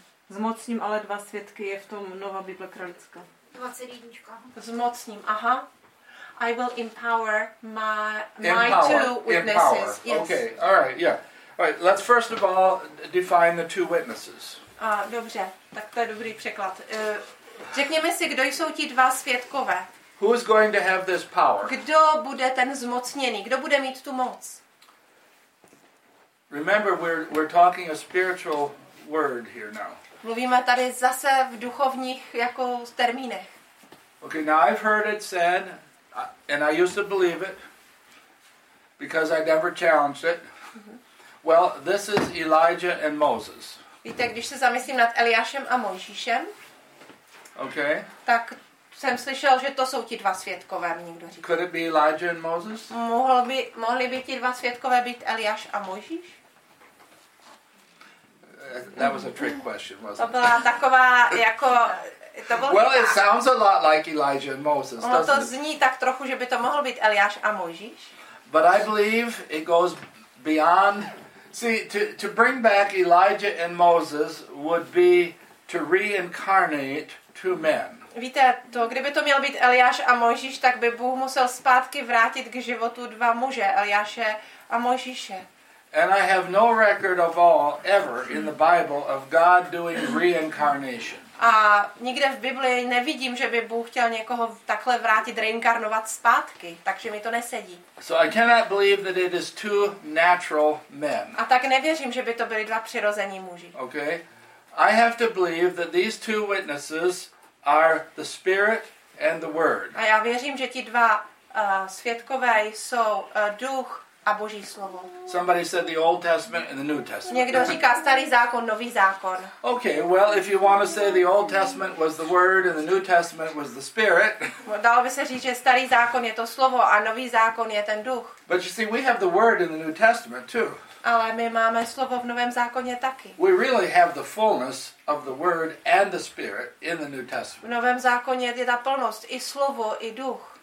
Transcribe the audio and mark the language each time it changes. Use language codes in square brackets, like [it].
[cs] Zmocním ale dva svědky je v tom Nová Bible Královská. 21. Zmocním, aha. [en] I will empower my two witnesses. Empower. Yes. Okay. All right. Yeah. All right. Let's first of all define the two witnesses. [cs] Dobře. Tak to je dobrý překlad. Řekněme si, kdo jsou ti dva svědkové? [en] Who is going to have this power? [cs] Kdo bude ten zmocněný? Kdo bude mít tu moc? [en] Remember, we're talking a spiritual word here now. [cs] Mluvíme tady zase v duchovních jako termínech. [en] Okay, now I've heard it said, and I used to believe it, because I never challenged it. Well, this is Elijah and Moses. [cs] Víte, když se zamyslím nad Eliášem a Mojžíšem, [en] okay. [cs] Tak jsem slyšel, že to jsou ti dva svědkové, mi někdo říká. [en] Could it be Elijah and Moses? [cs] Mohli by ti dva svědkové být Eliáš a Mojžíš? [en] That was a trick question, wasn't it? [cs] To byla taková jako... [en] Well, it sounds a lot like Elijah and Moses, doesn't it? [cs] Ono to zní tak trochu, že by to mohl být Eliáš a Mojžíš. [en] But I believe it goes beyond... See, to bring back Elijah and Moses would be to reincarnate two men. [cs] Víte, to, kdyby to měl být Eliáš a Mojžíš, tak by Bůh musel zpátky vrátit k životu dva muže, Eliáše a Mojžíše. [en] And I have no record of all ever in the Bible of God doing reincarnation. [cs] A nikde v Biblii nevidím, že by Bůh chtěl někoho takhle vrátit, reinkarnovat zpátky, takže mi to nesedí. [en] So I cannot believe that it is two natural men. [cs] A tak nevěřím, že by to byly dva přirození muži. [en] Okay. I have to believe that these two witnesses are the Spirit and the Word. [cs] A já věřím, že ti dva svědkové jsou duch a Boží slovo. [en] Somebody said the Old Testament and the New Testament. [cs] Někdo říká starý zákon, nový zákon. [en] Okay, well, if you want to say the Old Testament was the Word and the New Testament was the Spirit. [cs] Dalo by se říct, že starý zákon je to slovo a nový zákon je ten duch. [en] But you see, we have the Word in the New Testament too. [cs] Ale my máme slovo v Novém zákoně taky. [en] We really have the fullness of the Word and the Spirit in the New Testament. [cs] V Novém zákoně je ta plnost i slovo i duch.